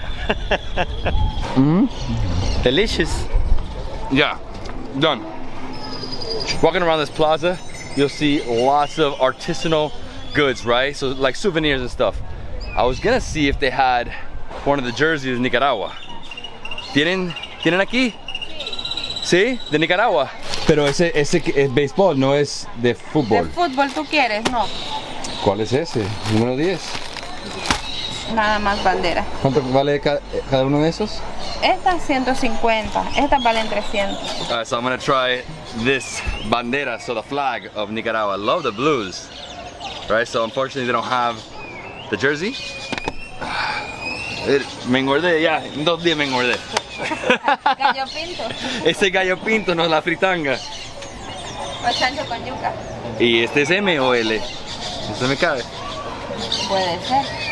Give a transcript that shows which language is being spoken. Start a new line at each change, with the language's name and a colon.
English: Mm-hmm. Delicious. Yeah, done. Walking around this plaza, you'll see lots of artisanal goods, right? So like souvenirs and stuff. I was gonna see if they had one of the jerseys in Nicaragua.
Spanish: ¿Tienen aquí? Sí, de Nicaragua. Pero ese es béisbol, no es de fútbol. De fútbol tú quieres, no. ¿Cuál es ese? Número 10. Nada más bandera. ¿Cuánto vale cada uno de esos? Estas 150, estas valen 300.
English: All right, so I'm gonna try this bandera, so the flag of Nicaragua. I love the blues. Right, so unfortunately they don't have the jersey.
Spanish: Me engordé, ya, en dos días me engordé. Gallo pinto. Ese gallo pinto, no la fritanga. O chancho con yuca. ¿Y este es M o L? ¿Este me cabe? Puede ser.